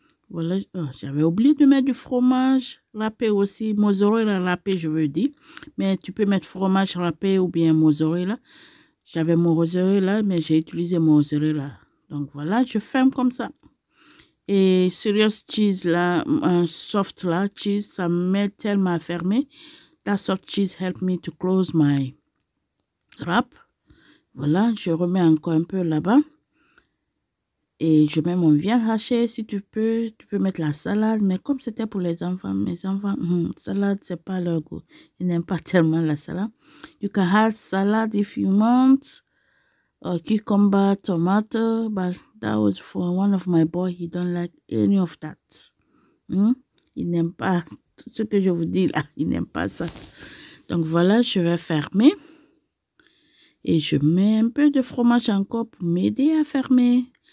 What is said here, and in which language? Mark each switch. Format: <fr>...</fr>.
<fr>Voilà, oh, j'avais oublié de mettre du fromage râpé aussi, mozzarella râpé, je veux dire. Mais tu peux mettre fromage râpé ou bien mozzarella. J'avais mozzarella, mais j'ai utilisé mozzarella. Donc voilà, je ferme comme ça. Et serious cheese là, un soft là, cheese, ça m'aide tellement à fermer.</fr> <en>That soft cheese helped me to close my wrap.</en> <fr>Voilà, je remets encore un peu là-bas. Et je mets mon viande hachée, si tu peux. Tu peux mettre la salade, mais comme c'était pour les enfants, mes enfants, salade, c'est pas leur goût. Ils n'aiment pas tellement la salade.</fr> <en>You can have salad if you want. Cucumber, tomato, but that was for one of my boys. He don't like any of that.</en> <fr>Il n'aime pas tout ce que je vous dis là. Il n'aime pas ça. Donc voilà, je vais fermer. Et je mets un peu de fromage encore pour m'aider à fermer.</fr>